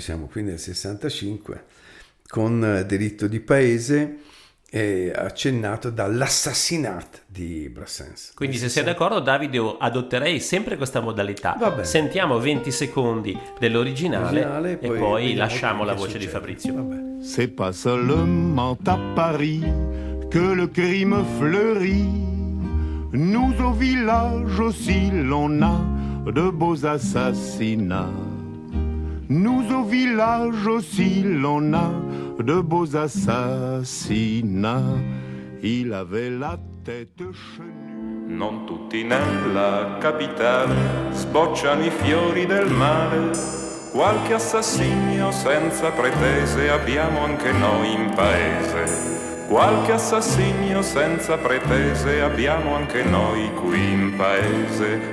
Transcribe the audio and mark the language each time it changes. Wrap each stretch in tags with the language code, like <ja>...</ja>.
<it>Siamo qui nel 65, con Delitto di paese, accennato dall'Assassinat di Brassens. Quindi, se sei d'accordo, Davide, adotterei sempre questa modalità. Sentiamo 20 secondi dell'originale e poi lasciamo la voce di Fabrizio.</it> <fr>C'est pas seulement à Paris que le crime fleurit. Nous au village aussi l'on a de beaux assassinats. Nous au village aussi l'on a de beaux assassinats. Il avait la tête chenue.</fr> <it>Non tutti nella capitale sbocciano i fiori del mare. Qualche assassino senza pretese abbiamo anche noi in paese. Qualche assassino senza pretese abbiamo anche noi qui in paese.</it>